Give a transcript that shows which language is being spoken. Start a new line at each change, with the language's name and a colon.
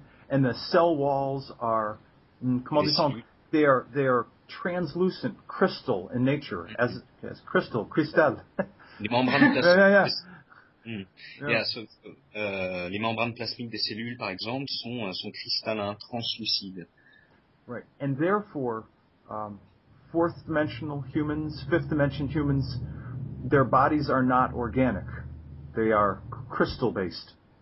English: And the cell walls are,
French: comment dit-on,
English: they are translucent, crystal in nature, as crystal, cristal.
French: Les membranes les membranes plasmiques des cellules, par exemple, sont cristallins, translucides.
English: Right, and therefore, fourth dimensional humans, fifth dimension humans, their bodies are not organic; they are crystal based.